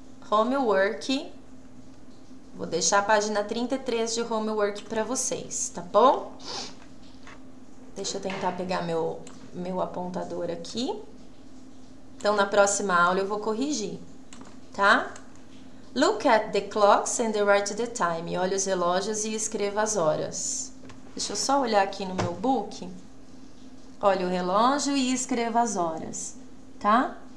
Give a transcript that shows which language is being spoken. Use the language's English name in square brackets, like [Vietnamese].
[Portuguese] Homework. Vou deixar a página 33 de homework para vocês, tá bom? Deixa eu tentar pegar meu apontador aqui. Então, na próxima aula eu vou corrigir, tá? [English] Look at the clocks and write the time. [Portuguese] Olhe os relógios e escreva as horas. Deixa eu só olhar aqui no meu book. Olhe o relógio e escreva as horas, tá?